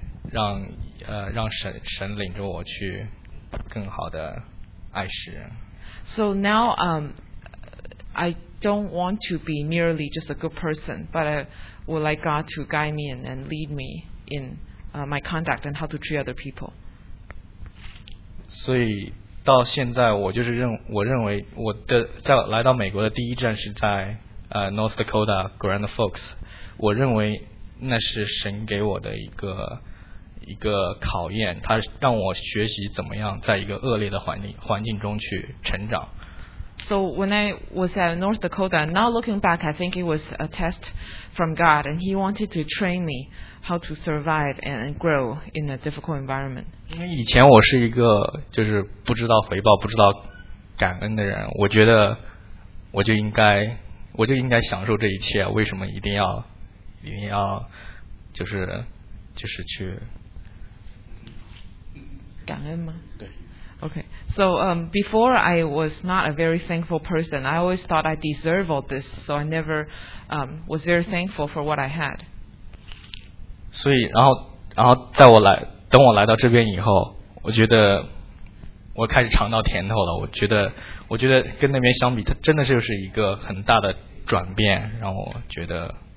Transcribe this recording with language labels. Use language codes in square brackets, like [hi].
[zh] 让神领着我去更好的爱世人。 [en] So now, I don't want to be merely just a good person, but I would like God to guide me and lead me in my conduct and how to treat other people. [zh] 所以到现在，我就是我认为我的在来到美国的第一站是在North Dakota Grand Forks， 我认为。那是神给我的一个考验，他让我学习怎么样在一个恶劣的环境中去成长。 [en] So when I was at North Dakota, now looking back, I think it was a test from God, and He wanted to train me how to survive and grow in a difficult environment. [zh] 因为以前我是一个就是不知道回报、不知道感恩的人，我觉得我就应该享受这一切，为什么一定要？一定要就是去感恩吗？对。 [en] Okay. So before I was not a very thankful person. I always thought I deserve all this, so I never was very thankful for what I had. [zh] 所以，然后在我来等我来到这边以后，我觉得我开始尝到甜头了。我觉得跟那边相比，它真的就是一个很大的转变，让我觉得。